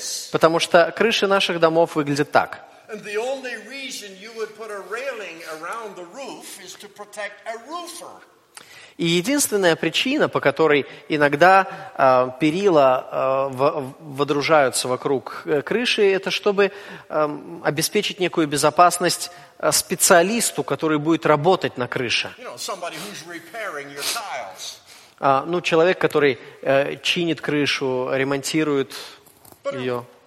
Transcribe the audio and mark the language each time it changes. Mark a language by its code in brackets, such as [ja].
[ru] Потому что крыши наших домов выглядят так. [en] And the only reason you would put a railing around the roof is to protect a roofer. [ru] И единственная причина, по которой иногда перила водружаются вокруг крыши, это чтобы обеспечить некую безопасность специалисту, который будет работать на крыше. Ну, человек, который чинит крышу, ремонтирует ее.